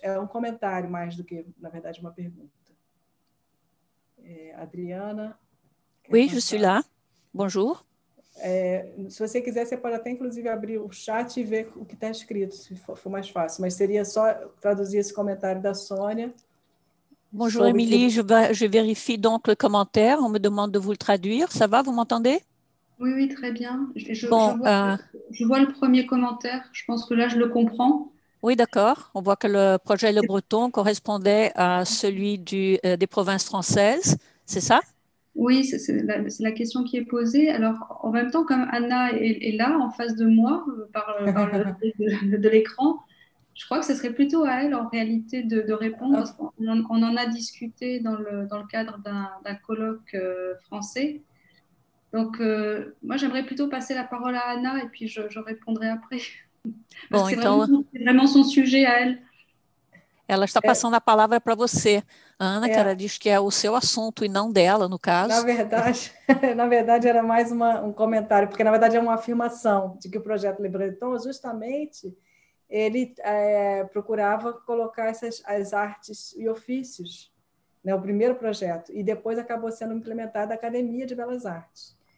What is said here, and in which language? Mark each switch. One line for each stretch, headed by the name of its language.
Portuguese: É um comentário mais do que, na verdade, uma pergunta. Adriana...
French: Oui, je suis là. Bonjour.
Portuguese: Se você quiser, você pode até inclusive abrir o chat e ver o que está escrito, se for mais fácil. Mas seria só traduzir esse comentário da Sônia.
French: Bonjour, Emily. Je vérifie donc le commentaire. On me demande de vous le traduire. Ça va, vous m'entendez? Oui, oui, très bien. Je vois le premier commentaire. Je pense que là, je le comprends. Oui, d'accord. On voit que le projet Le Breton correspondait à celui des provinces françaises. C'est ça? Oui, c'est la question qui est posée. Alors, en même temps, comme Anna est là, en face de moi, par de l'écran, je crois que ce serait plutôt à elle, en réalité, de répondre. On en a discuté dans le cadre d'un colloque français. Donc, moi, j'aimerais plutôt passer la parole à Anna et puis je répondrai après. Bon, c'est vraiment son sujet à elle.
Portuguese: Ela está passando a palavra para você, Ana, que ela diz que é o seu assunto e não dela, no caso. Na verdade, era mais um comentário, porque na verdade é uma afirmação de que o projeto Le Breton, justamente, ele procurava colocar as artes e ofícios, né, o primeiro projeto, e depois acabou sendo implementada a Academia de Belas Artes.